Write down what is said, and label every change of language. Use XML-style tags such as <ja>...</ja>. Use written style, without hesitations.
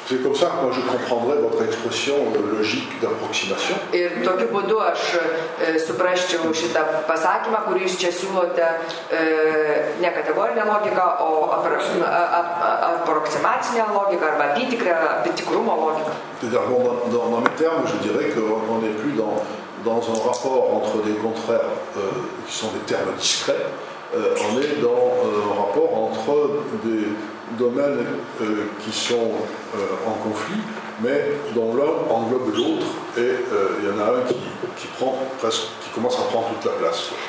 <fr>C'est comme ça que moi je comprendrais votre expression logique d'approximation.</fr> <lt>Ir tokiu būdu aš suprasčiau šitą pasakymą, kurį jūs čia siūlote, ne kategorinė logika, o aproksimacinė logika arba apytikrumo logika.</lt> <fr>Dans mes termes, je dirais qu'on n'est plus dans un rapport entre des contraires qui sont des termes discrets, on est dans un rapport entre des domaines qui sont en conflit, mais dont l'un englobe l'autre, et il y en a un qui prend presque, qui commence à prendre toute la place.</fr>